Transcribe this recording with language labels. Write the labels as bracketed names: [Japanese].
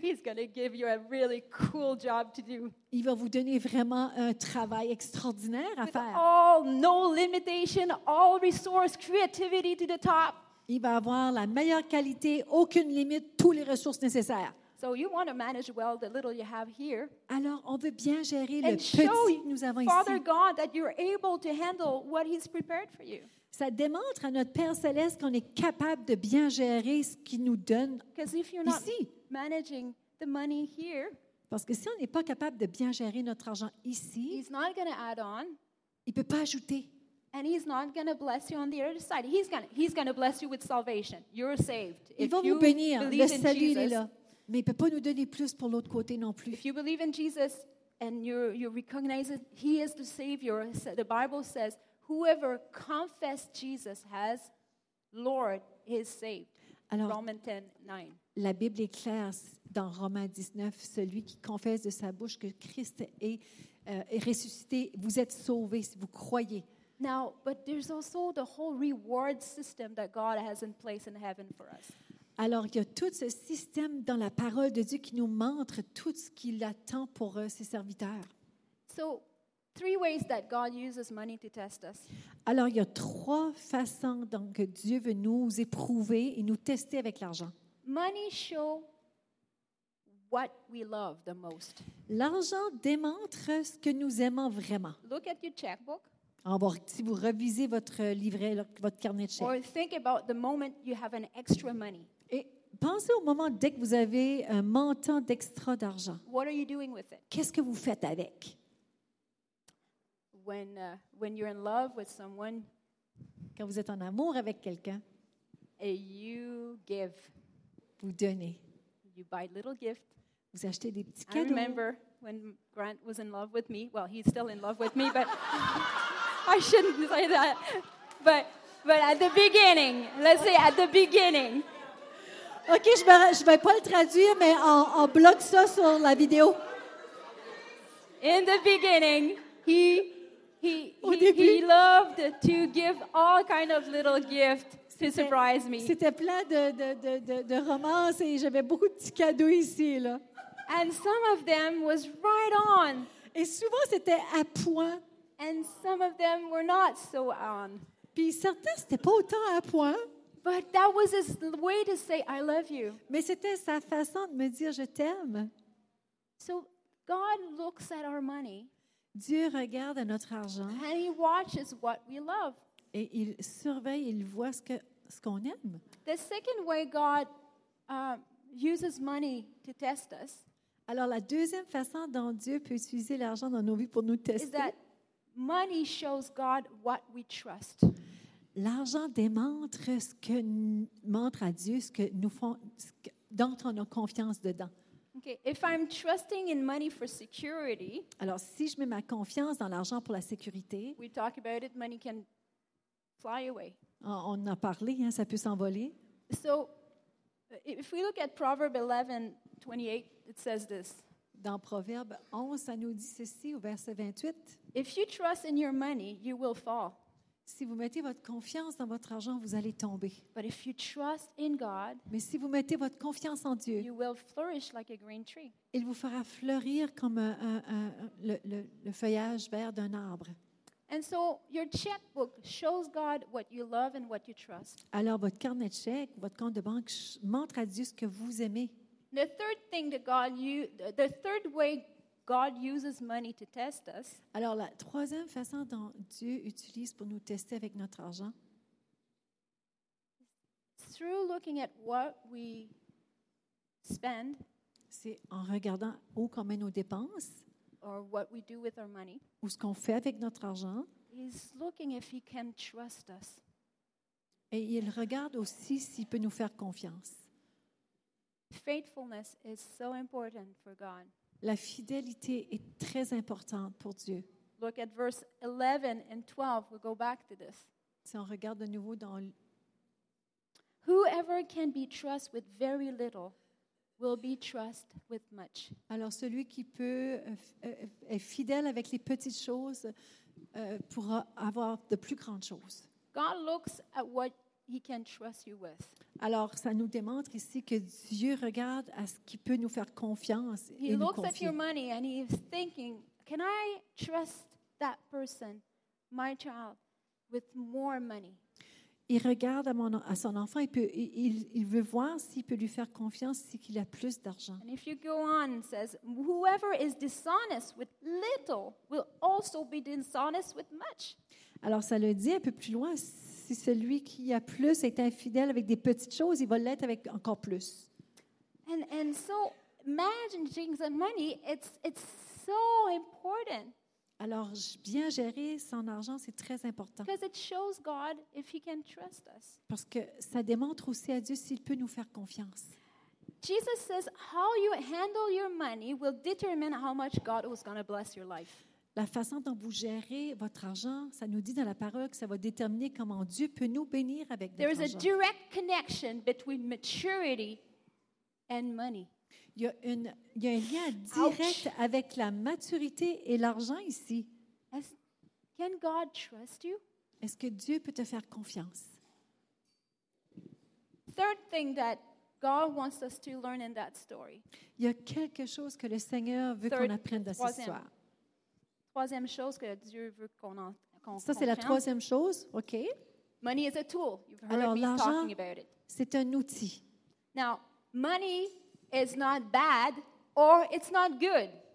[English] he's going to give you a really cool job to do. [French] Il va vous donner vraiment un travail extraordinaire à [English] with [French] faire. [English] All no limitation, all resource, creativity to the top. [French] Il va avoir la meilleure qualité, aucune limite, toutes les ressources nécessaires. [English] So you want to manage well the little you have here. [French] Alors on veut bien gérer le petit que nous avons ici. [English] Father God that you're able to handle what he's prepared for you. [French] Ça démontre à notre Père céleste qu'on est capable de bien gérer ce qu'il nous donne ici. [English] Because if you're not managing the money here, [French] parce que si on n'est pas capable de bien gérer notre argent ici, [English] he's not going to add on. [French] Il peut pas ajouter. [English] And he's not going to bless you on the other side. He's going to bless you with salvation. You're saved. [French] Il va vous bénir, le salut est là. Mais il ne peut pas nous donner plus pour l'autre côté non plus. [English] If you believe in Jesus and you recognize it, he is the Savior. The Bible says, whoever confesses Jesus as Lord is saved. [French] Alors, [English] Romans 10, 9. [French] La Bible est claire dans Romains 19, celui qui confesse de sa bouche que Christ est ressuscité, vous êtes sauvés si vous croyez. [English] Now, but there's also the whole reward system that God has in place in heaven for us. [French] Alors, il y a tout ce système dans la parole de Dieu qui nous montre tout ce qu'il attend pour ses serviteurs. [English] So, three ways that God uses money to test us. [French] Alors, il y a trois façons dont Dieu veut nous éprouver et nous tester avec l'argent. [English] Money show what we love the most. [French] L'argent démontre ce que nous aimons vraiment. [English] Look at your checkbook. [French] Si vous revisez votre livret, votre carnet de chèques. [English] Or think about the moment you have an extra money. [French] Pensez au moment dès que vous avez un montant d'extra d'argent. [English] What are you doing with it? [French] Qu'est-ce que vous faites avec? [English] When you're in love with someone, [French] quand vous êtes en amour avec quelqu'un, [English] you give. [French] Vous donnez. [English] You buy little gifts. [French] Vous achetez des petits cadeaux. [English] I remember when Grant was in love with me. Well, he's still in love with me, but I shouldn't say that. But at the beginning, let's say at the beginning. [French] OK, je vais pas le traduire, mais on bloque ça sur la vidéo. [English] In the beginning, he loved to give all kind of little gifts to surprise me. [French] C'était plein de romance et j'avais beaucoup de petits cadeaux ici, là. [English] And some of them was right on. [French] Et souvent c'était à point. [English] And some of them were not so on. [French] Puis certains c'était pas autant à point. [English] But that was his way to say I love you. [French] Mais c'était sa façon de me dire je t'aime. [English] So God looks at our money. [French] Dieu regarde notre argent. [English] And he watches what we love. [French] Et il surveille, il voit ce qu'on aime. [English] The second way God uses money to test us. [French] Alors la deuxième façon dont Dieu peut utiliser l'argent dans nos vies pour nous tester. [English] Is that money shows God what we trust. [French] L'argent démontre ce que montre à Dieu ce que nous font dont on a confiance dedans. [English] Okay, if I'm trusting in money for security. [French] Alors si je mets ma confiance dans l'argent pour la sécurité. [English] We talk about it, money can fly away. [French] On en a parlé, hein, ça peut s'envoler. [English] So if we look at Proverbs 11:28, it says this. [French] Dans Proverbe 11, ça nous dit ceci au verset 28. [English] If you trust in your money, you will fall. [French] Si vous mettez votre confiance dans votre argent, vous allez tomber. [English] But if you trust in God, [French] mais si vous mettez votre confiance en Dieu, [English] you will flourish like a green tree. [French] Il vous fera fleurir comme le feuillage vert d'un arbre. [English] And so your checkbook shows God what you love and what you trust. [French] Alors votre carnet de chèque, votre compte de banque montre à Dieu ce que vous aimez. [English] The third way God uses money to test us. [French] Alors la troisième façon dont Dieu utilise pour nous tester avec notre argent. [English] Through looking at what we spend. [French] C'est en regardant où qu'on met nos dépenses. [English] Or what we do with our money. [French] Ou ce qu'on fait avec notre argent. [English] He's looking if he can trust us. [French] Et il regarde aussi s'il peut nous faire confiance. [English] Faithfulness is so important for God. [French] La fidélité est très importante pour Dieu. [English] Look at verse 11 and 12. We'll go back to this. [French] Si on regarde de nouveau dans. [English] Whoever can be trusted with very little. Will be trust with much. [French] Alors celui qui peut est fidèle avec les petites choses pourra avoir de plus grandes choses. [English] God looks at what he can trust you with. [French] Alors ça nous démontre ici que Dieu regarde à ce qui peut nous faire confiance et [English] he [French] nous [English] looks [French] confier. [English] At your money and he's thinking, can I trust that person, my child, with more money? [French] Il regarde à son enfant, il veut voir s'il peut lui faire confiance, s'il qu'il a plus d'argent. [English] And if you go on, it says, whoever is dishonest with little will also be dishonest with much. [French] Alors ça le dit un peu plus loin, si celui qui a plus est infidèle avec des petites choses, il va l'être avec encore plus. [English] And so managing the money, it's so important. [French] Alors, bien gérer son argent, c'est très important. [English] Because it shows God if he can trust us. [French] Parce que ça démontre aussi à Dieu s'il peut nous faire confiance. [English] Jesus says how you handle your money will determine how much God is going to bless your life. [French] La façon dont vous gérez votre argent, ça nous dit dans la parole que ça va déterminer comment Dieu peut nous bénir avec votre argent. [English] There is a direct connection between maturity and money. [French] Il y a un lien direct [English] Ouch. [French] Avec la maturité et l'argent ici. [English] Can God trust you? [French] Est-ce que Dieu peut te faire confiance? [English] Third thing that God wants us to learn in that story. [French] Il y a quelque chose que le Seigneur veut qu'on apprenne dans cette histoire. Troisième chose que Dieu veut qu'on apprenne. Ça c'est la troisième chose, ok? [English] Money is a tool. You've heard [French] Alors, [English] me [French] l'argent, [English] talking about it. [French] C'est un outil. [English] Now, money. It's not bad or it's not good.